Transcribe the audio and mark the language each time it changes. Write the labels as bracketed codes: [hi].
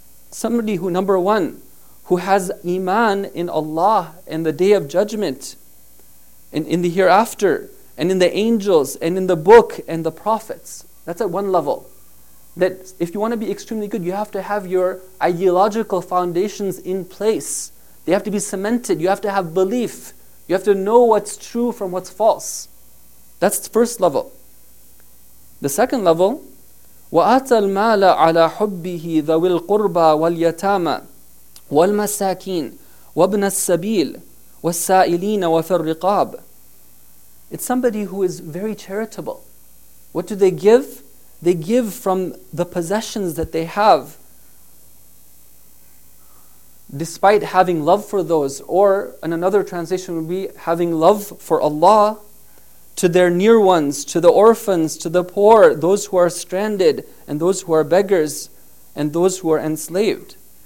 [en] Somebody who, number one, who has iman in Allah and the Day of Judgment, and in the hereafter, and in the angels, and in the book, and the prophets. That's at one level. That if you want to be extremely good, you have to have your ideological foundations in place. They have to be cemented. You have to have belief. You have to know what's true from what's false. That's the first level. The second level, [ar] وَآتَ الْمَالَ عَلَىٰ حُبِّهِ ذَوِي الْقُرْبَى وَالْيَتَامَى وَالْمَسَاكِينَ وَابْنَ السَّبِيلِ وَالسَّائِلِينَ وَفِي الرِّقَابِ. [en] It's somebody who is very charitable. What do they give? They give from the possessions that they have, despite having love for those, or in another translation would be having love for Allah, to their near ones, to the orphans, to the poor, those who are stranded, and those who are beggars, and those who are enslaved.